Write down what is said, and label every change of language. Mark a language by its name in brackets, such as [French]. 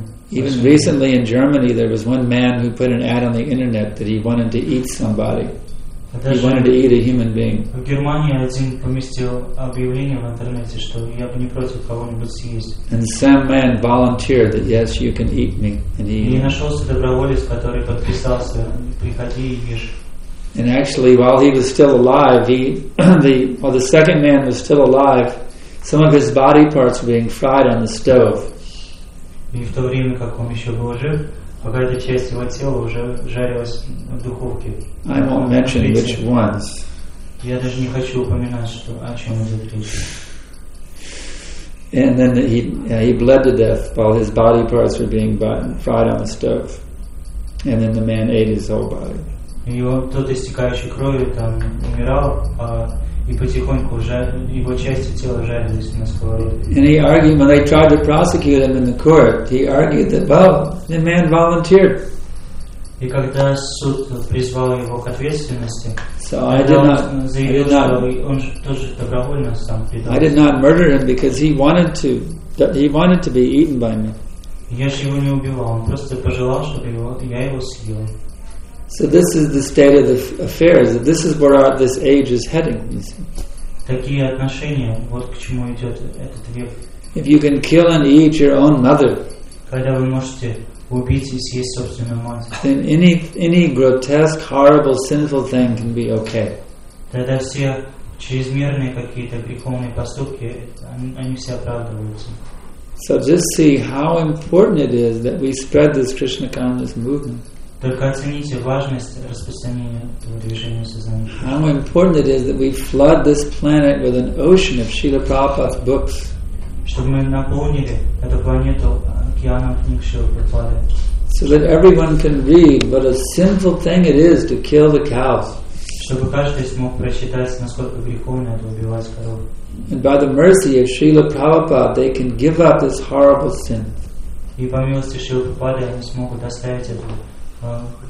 [English] Even recently in Germany, there was one man who put an ad on the internet that he wanted to eat somebody. He wanted to eat a human being. [Russian] В Германии один поместил объявление в интернете, что я бы не против кого-нибудь съесть. [English] And some man volunteered that yes, you can eat me, and he. [Russian] И нашелся доброволец, который подписался, приходи и ешь. [English] And actually, while he was still alive, while the second man was still alive, some of his body parts were being fried on the stove. [Russian] И в то время, как он еще был жив, какая-то часть его тела уже жарилась в духовке. [English] I won't mention which ones. [Russian] Я даже не хочу упоминать, что о чем идет речь. [English] And then he bled to death while his body parts were being fried on the stove, and then the man ate his whole body. [Russian] И вот тот истекающий кровью там умирал, и потихоньку его части тела жарились на сковороде. [English] And he argued when they tried to prosecute him in the court. He argued that, well, the man volunteered. [Russian] И когда суд призвал его к ответственности, [English] so I did not, [Russian] заявил, [English] I did not, [Russian] что он тоже добровольно сам предал. [English] I did not murder him because he wanted to be eaten by me. [Russian] Я же его не убивал, он просто пожелал, чтобы его, я его съел. [English] So this is the state of the affairs. This is where this age is heading. [Russian] Такие отношения. Вот к чему идет этот век. [English] If you can kill and eat your own mother, [Russian] когда вы можете убить и съесть собственную мать, [English] then any grotesque, horrible, sinful thing can be okay. [Russian] Тогда все чрезмерные какие-то греховные поступки, они все оправдываются. [English] So just see how important it is that we spread this Krishna consciousness movement. [Russian] Только оцените важность распространения этого движения сознания. [English] How important it is that we flood this planet with an ocean of Srila Prabhupada's books. [Russian] Чтобы мы наполнили эту планету океаном книг Шрилы Прабхупады. [English] So that everyone can read what a sinful thing it is to kill the cows. [Russian] Чтобы каждый смог прочитать, насколько греховно это убивать коров. [English] And by the mercy of Srila Prabhupada, they can give up this horrible sin. [Russian] И по милости Шрилы Прабхупады они смогут оставить это.